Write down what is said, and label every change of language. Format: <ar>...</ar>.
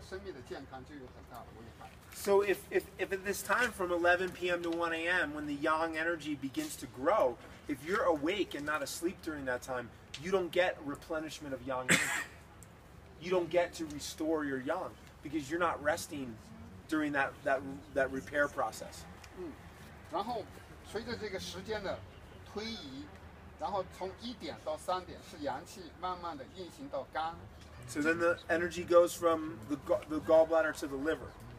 <zh>中国的这个阴阳的概念有一个相生的意思，阴阳相生。那这个时候11点到1点，阳气生出来，为了阳主什么？阳主动，对吧？整个夜里是阳气生的过程，人要静静的安睡。如果这个时候你不睡觉，你的阳气就不会生发，对你的生命的健康就有很大的危害。</zh> <en>So if at this time from 11 p.m. to 1 a.m. when the yang energy begins to grow, if you're awake and not asleep during that time, you don't get replenishment of yang energy. You don't get to restore your yang because you're not resting during that repair process.</en> <zh>然后随着这个时间的推移，然后从1点到3点是阳气慢慢的运行到肝。</zh> <en>So then the energy goes from the gallbladder to the liver.</en>